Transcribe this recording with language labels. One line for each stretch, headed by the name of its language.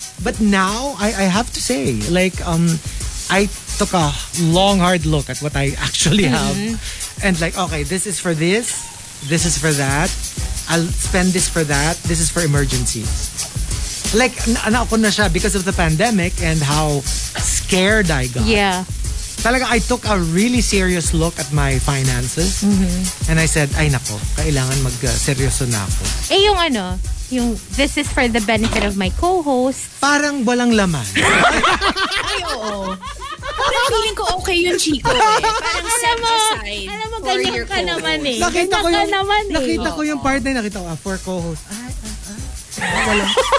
English: But now, I have to say, like, I took a long, hard look at what I actually have, and like, okay, this is for this, this is for that, I'll spend this for that, this is for emergencies. Like,
Filipino: naako na siya
English: because of the pandemic and how scared I got. Yeah.
Filipino: Talaga,
English: I took a really serious look at my finances. And I said,
Filipino: ay nako, kailangan mag-seryoso na ako. Eh, yung ano, yung
English: this is for the benefit of my co-host.
Filipino: Parang walang laman. Ay, oo. Parang feeling ko okay yun, Chico. Eh. Parang set aside. Alam mo, ganyan ka naman eh. Nakita ko yung, naman, eh. Nakita ko yung part na yun, nakita ko,
English: for co-host.
Filipino: Walang laman.